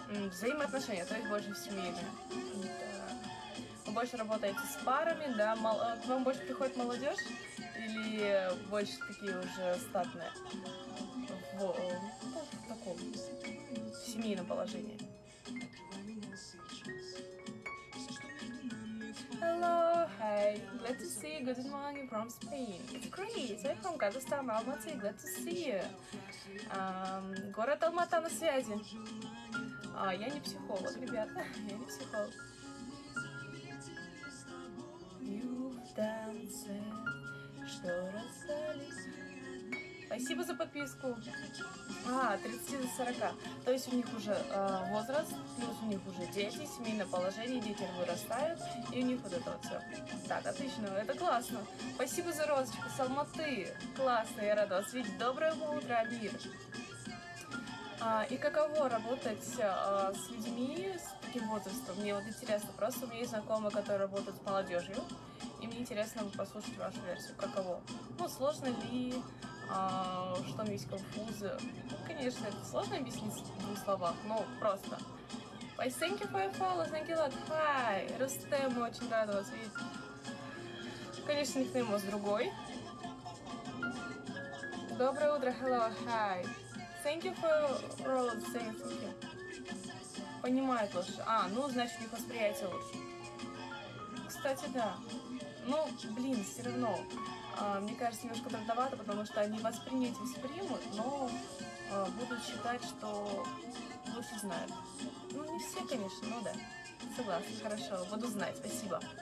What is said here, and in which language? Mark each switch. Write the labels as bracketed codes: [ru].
[ru] Взаимоотношения, то есть больше семейные. Да. Вы больше работаете с парами, да? К вам больше приходит молодежь или больше такие уже статные? В таком семейном положении. [en] Hello, hi, glad to see you, good morning from Spain. It's great, I'm from Kazakhstan, Almaty, glad to see you. [ru] Город Алматы на связи. Я не психолог, ребята, я не психолог. [en] You've danced, [ru] что расстались. Спасибо за подписку. А, 30 до 40. То есть у них уже возраст, плюс у них уже дети, семейное положение, дети вырастают, и у них вот это вот все. Так, отлично, это классно. Спасибо за розочку, Салматы. Классно, я рада вас видеть. Доброе утро, мир. И каково работать с людьми с таким возрастом? Мне вот интересно, просто у меня есть знакомые, которые работают с молодежью, и мне интересно послушать вашу версию, каково. Ну, сложно ли, что там есть конфузы? Ну, конечно, это сложно объяснить в двух словах, но просто. [en] Ой, thank you for your follow, thank you a lot, hi, Рустем, [ru] очень рада вас видеть. Конечно, никнейм у вас другой. Доброе утро, [en] hello, hi. Thank you for your role, thank you. [ru] Понимает лучше. А, ну, значит, у них восприятие лучше. Кстати, да. Ну, блин, все равно. Мне кажется, немножко трудновато, потому что они воспринять воспримут, но будут считать, что лучше знают. Ну, не все, конечно, но да. Согласна, хорошо. Буду знать, спасибо.